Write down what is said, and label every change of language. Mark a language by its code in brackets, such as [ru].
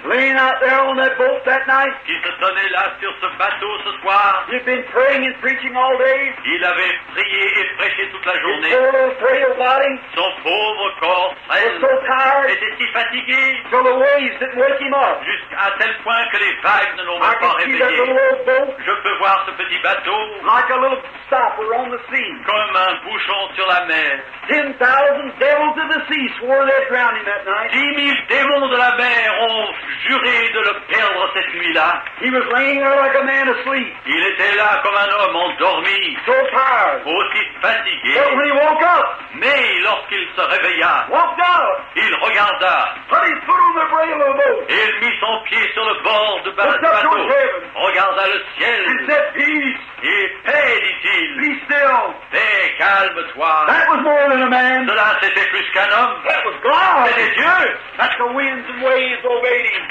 [en] Laying out there on that boat that night. [fr] Qui se tenait là sur ce bateau ce soir. [en] He'd been praying and preaching all day. [fr] Il avait prié et prêché toute la journée. [en] His poor little frail body. [fr] Son pauvre corps frêle. [en] Was so tired. [fr] Était si fatigué. [en] Till the waves didn't wake him up. [fr] Jusqu'à tel point que les vagues ne l'ont même pas réveillé. [en] I can see that little old boat. [fr] Je peux voir ce petit bateau. [en] Like a little stopper on the sea. [fr] Comme un bouchon sur la mer. [en] 10,000 devils of the sea swore they'd drown him that night. [fr] 10,000 démons de la mer ont juré de le perdre cette nuit-là. [en] He was laying there like a man asleep. [fr] Il était là comme un homme endormi. [en] So tired. [fr] Aussi fatigué. [en] But when he woke up. [fr] Mais lorsqu'il se réveilla. [en] Walked out. [fr] Il regarda. [en] Put his foot on the rail of the boat. [fr] Et il mit son pied sur le bord du bateau. [en] Looked up towards heaven. [fr] Regarda le ciel. [en] And said, peace. [fr] Et paix, dit-il. [en] Be still. [fr] Paix, calme-toi. [en] That was more than a man. [fr] Cela, c'était plus qu'un homme. [en] That was God. [fr] C'était Dieu. [en] That the winds and waves obeyed him.